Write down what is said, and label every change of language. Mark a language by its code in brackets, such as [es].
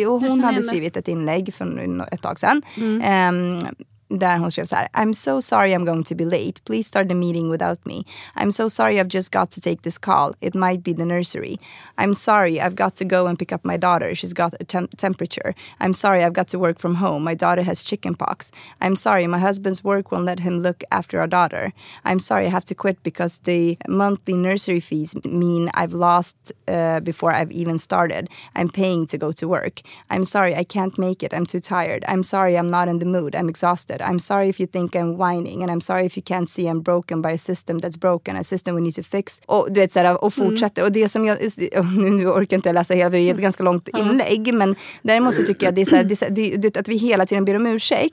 [sv] Hon hade skrivit ett inlägg för ett tag sedan där hon skrev så här: [en] I'm so sorry I'm going to be late. Please start the meeting without me. I'm so sorry I've just got to take this call. It might be the nursery. I'm sorry I've got to go and pick up my daughter. She's got a temperature. I'm sorry I've got to work from home. My daughter has chicken pox. I'm sorry my husband's work won't let him look after our daughter. I'm sorry I have to quit because the monthly nursery fees mean I've lost before I've even started. I'm paying to go to work. I'm sorry I can't make it. I'm too tired. I'm sorry I'm not in the mood. I'm exhausted. I'm sorry if you think I'm whining, and I'm sorry if you can't see I'm broken by a system that's broken, a system we need to fix. [sv] Och du vet, så här, och fortsätter. Och det som jag, nu orkar inte läsa hela, det är ett ganska långt inlägg, men däremot så tycker jag att vi hela tiden ber om ursäkt.